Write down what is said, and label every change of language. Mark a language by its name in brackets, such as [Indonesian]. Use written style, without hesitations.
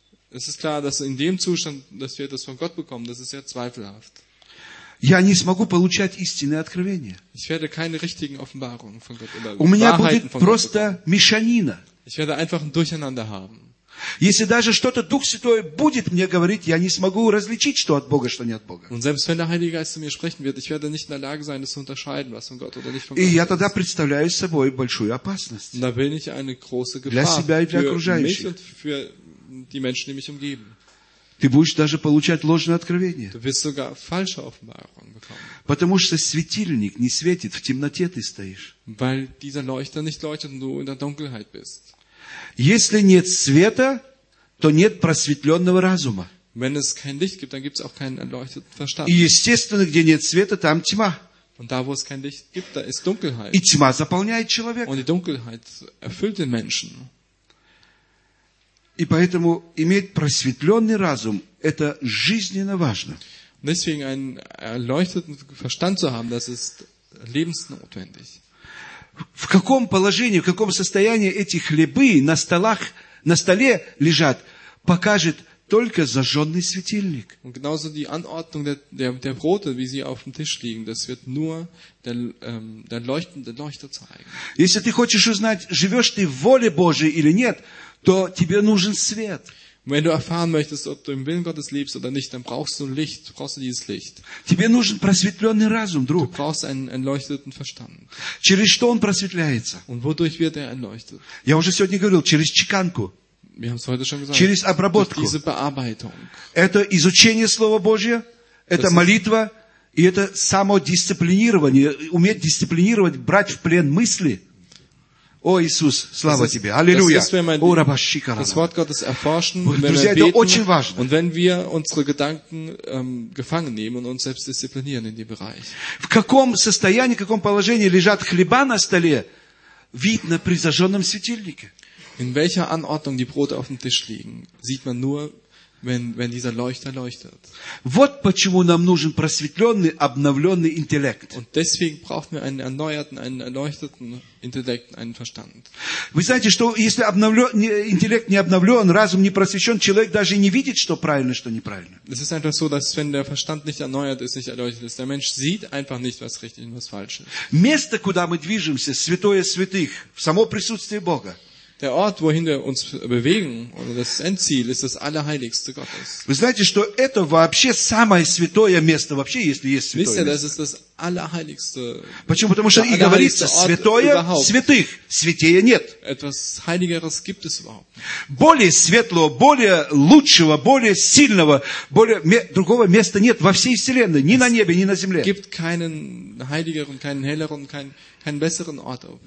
[German] Es ist klar, dass in dem Zustand, dass wir das von Gott bekommen, das ist sehr zweifelhaft. [Russian] Я не смогу получать истинное откровение. [German] Ich werde keine richtigen Offenbarungen von Gott oder [Russian] у меня будет просто мешанина. [German] Ich werde einfach ein Durcheinander haben. [Russian] Если даже что-то Дух Святой будет мне говорить, я не смогу различить, что от Бога, что не от Бога. [German] Und selbst wenn der Heilige Geist zu mir sprechen wird, ich werde nicht in der Lage sein, das zu unterscheiden, was von Gott oder nicht von Gott ist. [Russian] И я тогда представляю собой большую опасность. [German] Und da bin ich eine große Gefahr [Russian] для себя и для окружающих. [German] Für mich und für die Menschen, die mich umgeben. [Russian] Ты будешь даже получать ложное откровение. [German] Du wirst sogar falsche Offenbarungen bekommen. [Russian] Потому что светильник не светит, в темноте ты стоишь. [German] Weil dieser Leuchter nicht leuchtet und du in der Dunkelheit bist. [Russian] Если нет света, то нет просветленного разума. [German] Wenn es kein Licht gibt, dann gibt es auch keinen erleuchteten Verstand. [Russian] И естественно, где нет света, там тьма. [German] Und da, wo es kein Licht gibt, da ist Dunkelheit. [Russian] И тьма заполняет человека. [German] Und die Dunkelheit erfüllt den Menschen. [Russian] И поэтому иметь просветленный разум – это жизненно важно. [German] Deswegen einen erleuchteten Verstand zu haben, das ist lebensnotwendig. [Russian] В каком положении, в каком состоянии эти хлебы на столах, на столе лежат, покажет только зажженный светильник. [German] Und genauso die Anordnung der Brote, wie sie auf dem Tisch liegen, das wird nur der leuchtende Leuchter zeigen. [Russian] Если ты хочешь узнать, живешь ты в воле Божией или нет, то тебе нужен свет. [German] Wenn du erfahren möchtest, ob du im Willen Gottes lebst oder nicht, dann brauchst du Licht, brauchst du dieses Licht. [Russian] Тебе нужен просветленный разум, друг. [German] Du brauchst einen erleuchteten Verstand. [Russian] Через что он просветляется? [German] Und wodurch wird er erleuchtet? [Russian] Я уже сегодня говорил, через чеканку. [German] Wir haben es heute schon gesagt. [Russian] Через обработку. [German] Durch diese Bearbeitung. [Russian] Это изучение Слова Божия, это молитва, и это самодисциплинирование, уметь дисциплинировать, брать в плен мысли. О, Иисус, слава Тебе, Аллилуйя. О, Рабашикарана. [German] Das Wort Gottes erforschen, [Russian] друзья, это очень важно. [German] Und wenn wir unsere Gedanken gefangen nehmen und uns selbst disziplinieren in dem Bereich. [Russian] В каком состоянии, в каком положении лежат хлеба на столе, видно при зажженном светильнике. [German] In welcher Anordnung die Brote auf dem Tisch liegen, sieht man nur, wenn dieser Leuchter leuchtet. [Russian] Вот почему нам нужен просветленный, обновленный интеллект. [German] Und deswegen brauchen wir einen erneuerten, einen erleuchteten Intellekt, einen Verstand. [Russian] Вы знаете, что если интеллект не обновлен, разум не просвещен, человек даже не видит, что правильно, что неправильно. [German] Es ist einfach so, dass wenn der Verstand nicht erneuert ist, nicht erleuchtet ist, der Mensch sieht einfach nicht, was richtig und was falsch ist. [Russian] Место, куда мы движемся, святое святых, в само присутствие Бога. [German] Der Ort, wohin wir uns bewegen, oder das Endziel, ist das Allerheiligste Gottes. [Russian] Вы знаете, что это вообще самое святое место вообще, если есть святое [German] Wisst ihr, [Russian] место? [German] Das ist das Allerheiligste. [Russian] Почему? Потому что и говорится, святое святых, святее нет. [German] Etwas Heiligeres gibt es überhaupt. [Russian] Более светлого, более лучшего, более сильного, более другого места нет во всей вселенной, ни на небе, ни на земле. [German] Gibt keinen Heiligeren, keinen Helleren, keinen besseren Ort.